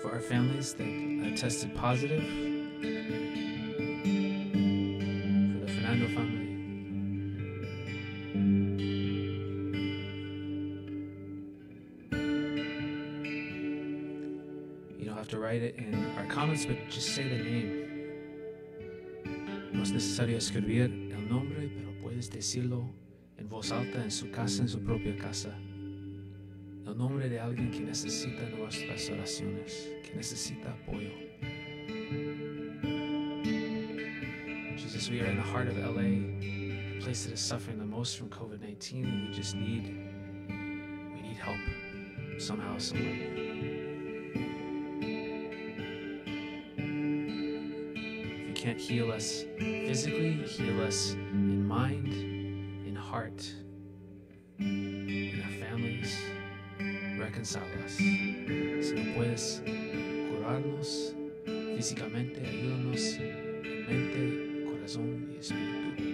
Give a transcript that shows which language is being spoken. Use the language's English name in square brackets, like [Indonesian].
[English] For our families that tested positive, for the Fernando family. You don't have to write it in our comments, but just say the name. [Spanish] No es necesario escribir el nombre, pero puedes decirlo en voz alta en su casa, en su propia casa. El nombre de alguien que necesita nuestras oraciones, que necesita apoyo. [English] Jesus, we are in the heart of LA. place that is suffering the most from COVID-19, and we need help somehow, someway. If you can't heal us physically, heal us in mind, in heart, in our families, reconcile us. [Spanish] Si no puedes curarnos físicamente, ayúdanos en mente, corazón y espíritu.